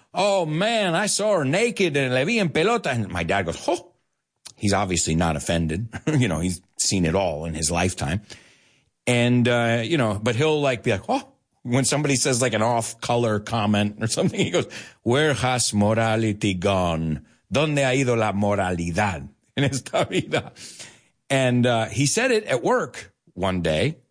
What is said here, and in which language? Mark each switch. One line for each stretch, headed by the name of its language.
English: Oh, man, I saw her naked and
Spanish: le vi en pelota.
English: And my dad goes, oh, he's obviously not offended. You know, he's seen it all in his lifetime. And, you know, but he'll like be like, oh, when somebody says like an off color comment or something, he goes, where has morality gone?
Spanish: ¿Dónde ha ido la moralidad en esta vida?
English: And he said it at work one day.